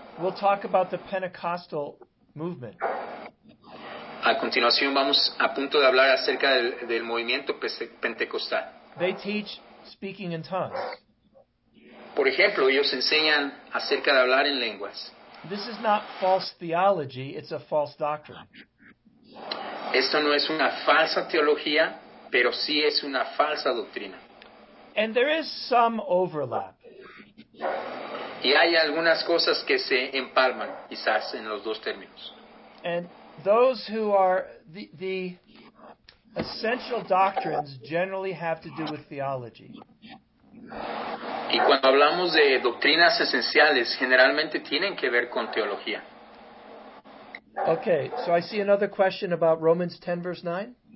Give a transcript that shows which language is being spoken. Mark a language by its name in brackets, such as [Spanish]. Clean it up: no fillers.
[English] We'll talk about the Pentecostal movement. [Spanish] A continuación vamos a punto de hablar acerca del movimiento pentecostal. [English] They teach speaking in tongues. [Spanish] Por ejemplo, ellos enseñan acerca de hablar en lenguas. [English] This is not false theology, it's a false doctrine. [Spanish] Esto no es una falsa teología, pero sí es una falsa doctrina. [English] And there is some overlap. [Spanish] Y hay algunas cosas que se empalman, quizás, en los dos términos. [English] And those who are the essential doctrines generally have to do with theology. [Spanish] Y cuando hablamos de doctrinas esenciales, generalmente tienen que ver con teología. [English] Okay, so I see another question about Romans 10, verse 9.